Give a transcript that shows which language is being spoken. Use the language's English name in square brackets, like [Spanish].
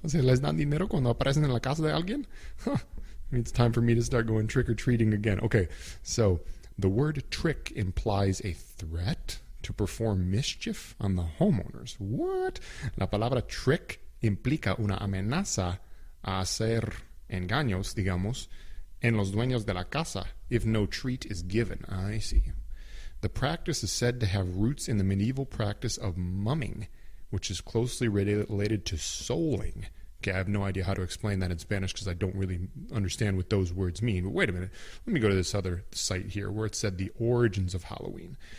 [Spanish] O sea, les dan dinero cuando aparecen en la casa de alguien? [English] It's time for me to start going trick-or-treating again. Okay, so the word trick implies a threat to perform mischief on the homeowners. What? [Spanish] La palabra trick implica una amenaza a hacer engaños, digamos, en los dueños de la casa [English] if no treat is given. I see. The practice is said to have roots in the medieval practice of mumming, which is closely related to souling. Okay, I have no idea how to explain that in Spanish because I don't really understand what those words mean. But wait a minute. Let me go to this other site here where it said the origins of Halloween.